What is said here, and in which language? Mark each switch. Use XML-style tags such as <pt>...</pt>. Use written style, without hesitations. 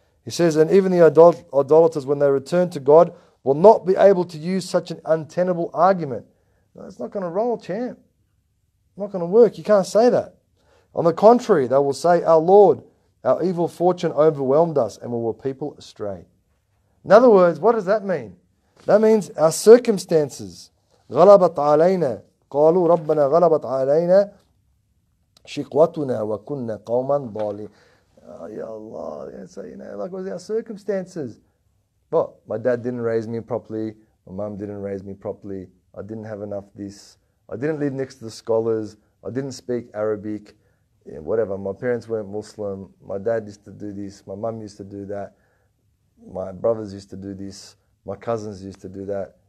<en>He says, and even the idolaters, when they return to God, will not be able to use such an untenable argument. No, it's not going to roll, champ. It's not going to work. You can't say that. On the contrary, they will say, our Lord, our evil fortune overwhelmed us and we were people astray. In other words, what does that mean? That means our circumstances...</en> <ar>غلبت علينا قالوا ربنا غلبت علينا شقوتنا وكنا قوما ضالين.</ar> <en>Ya Allah, like what was our circumstances? But my dad didn't raise me properly, my mom didn't raise me properly, I didn't have enough this, I didn't live next to the scholars, I didn't speak Arabic, whatever, my parents weren't Muslim, my dad used to do this, my mom used to do that, my brothers used to do this, my cousins used to do that.</en>